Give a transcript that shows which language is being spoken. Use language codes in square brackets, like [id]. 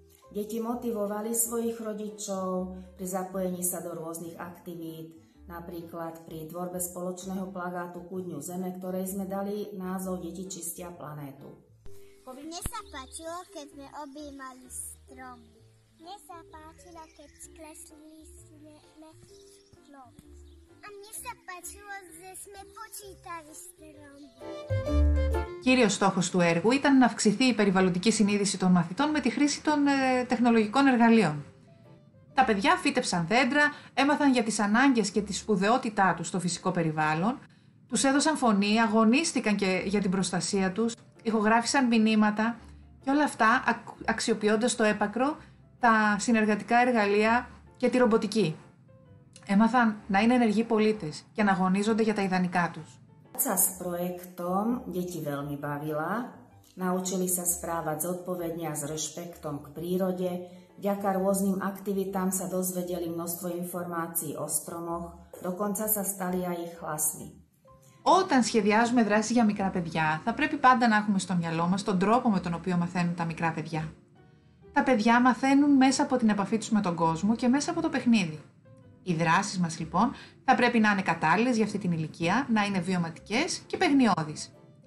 [sk] Deti motivovali svojich rodičov pri zapojení sa do rôznych aktivít, napríklad pri tvorbe spoločného plagátu ku Dňu Zeme, ktorej sme dali názov Deti čistia planétu. Mne sa páčilo, keď sme objímali stromy. Mne sa páčilo, keď kreslili sme stromy. A mne sa páčilo, že sme počítali stromy. [el] Κύριος στόχος του έργου ήταν να αυξηθεί η περιβαλλοντική συνείδηση των μαθητών με τη χρήση των τεχνολογικών εργαλείων. Τα παιδιά φύτεψαν δέντρα, έμαθαν για τις ανάγκες και τη σπουδαιότητά τους στο φυσικό περιβάλλον, τους έδωσαν φωνή, αγωνίστηκαν και για την προστασία τους, ηχογράφησαν μηνύματα και όλα αυτά αξιοποιώντας το έπακρο, τα συνεργατικά εργαλεία και τη ρομποτική. Έμαθαν να είναι ενεργοί πολίτες και να αγωνίζονται για τα ιδανικά τους. [sk] Práca s projektom deti veľmi bavila, naučili sa správať zodpovedne a s rešpektom k prírode, vďaka rôznym aktivitám sa dozvedeli množstvo informácií o stromoch, dokonca sa stali aj ich hlasmi. [el] Όταν σχεδιάζουμε δράσεις για μικρά παιδιά, θα πρέπει πάντα να έχουμε στο μυαλό μας τον τρόπο με τον οποίο μαθαίνουν τα μικρά παιδιά. Τα παιδιά μαθαίνουν μέσα από την επαφή τους με τον κόσμο και μέσα από το παιχνίδι. Οι δράσεις μας, λοιπόν, θα πρέπει να είναι κατάλληλες για αυτή την ηλικία, να είναι βιωματικές και παιχνιώδεις.